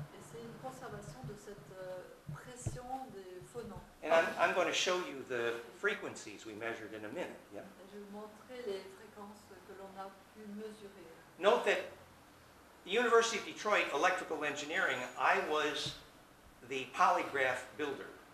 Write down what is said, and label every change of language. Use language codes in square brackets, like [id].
[fr] Et c'est une conservation de cette, pression des phonons. [en] And I'm going to show you the frequencies we measured in a minute. Yeah? [fr] Je vais vous montrer les fréquences que l'on a pu mesurer. [en] Note that the University of Detroit Electrical Engineering, I was the polygraph builder.